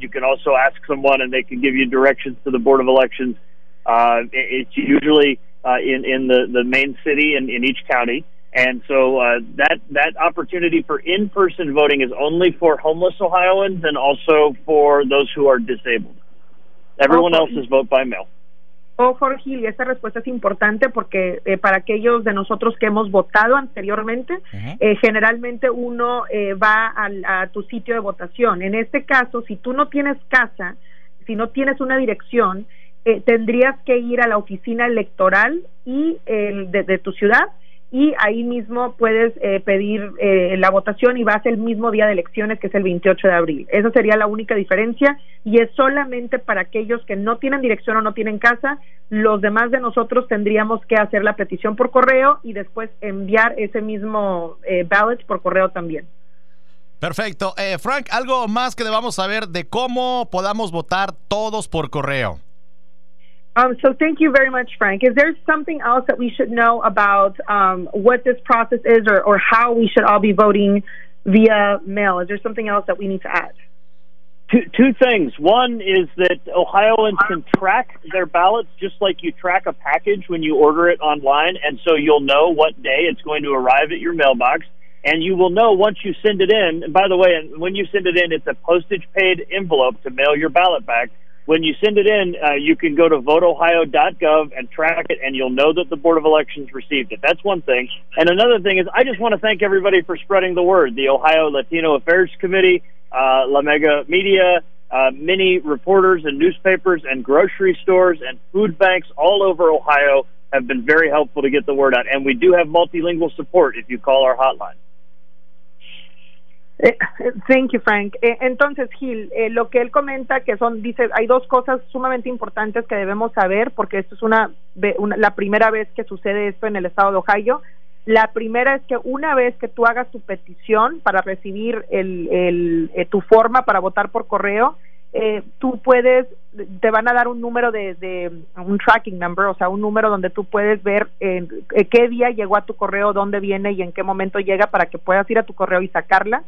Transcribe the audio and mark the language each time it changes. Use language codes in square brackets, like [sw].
[en] You can also ask someone and they can give you directions to the Board of Elections. It's usually in the main city in each county. And so that opportunity for in-person voting is only for homeless Ohioans and also for those who are disabled. Everyone else is vote by mail. [es] Oh, Jorge, y esa respuesta es importante porque para aquellos de nosotros que hemos votado anteriormente, generalmente uno va a tu sitio de votación. En este caso, si tú no tienes casa, si no tienes una dirección, tendrías que ir a la oficina electoral y de tu ciudad, y ahí mismo puedes pedir la votación y vas el mismo día de elecciones, que es el 28 de abril. Esa sería la única diferencia, y es solamente para aquellos que no tienen dirección o no tienen casa. Los demás de nosotros tendríamos que hacer la petición por correo y después enviar ese mismo ballot por correo también. Perfecto. Frank, ¿algo más que debamos saber de cómo podamos votar todos por correo? [en] So thank you very much, Frank. Is there something else that we should know about what this process is or how we should all be voting via mail? Is there something else that we need to add? Two things. One is that Ohioans can track their ballots just like you track a package when you order it online, and so you'll know what day it's going to arrive at your mailbox, and you will know once you send it in. And by the way, when you send it in, it's a postage-paid envelope to mail your ballot back. When you send it in, you can go to voteohio.gov and track it, and you'll know that the Board of Elections received it. That's one thing. And another thing is I just want to thank everybody for spreading the word. The Ohio Latino Affairs Committee, La Mega Media, many reporters and newspapers and grocery stores and food banks all over Ohio have been very helpful to get the word out. And we do have multilingual support if you call our hotline. Thank you, Frank. [es] Entonces, Gil, lo que él comenta, que son, dice, hay dos cosas sumamente importantes que debemos saber, porque esto es la primera vez que sucede esto en el estado de Ohio. La primera es que una vez que tú hagas tu petición para recibir tu forma para votar por correo, tú puedes, te van a dar un número de un [en] tracking number, [es] o sea, un número donde tú puedes ver qué día llegó a tu correo, dónde viene y en qué momento llega, para que puedas ir a tu correo y sacarla.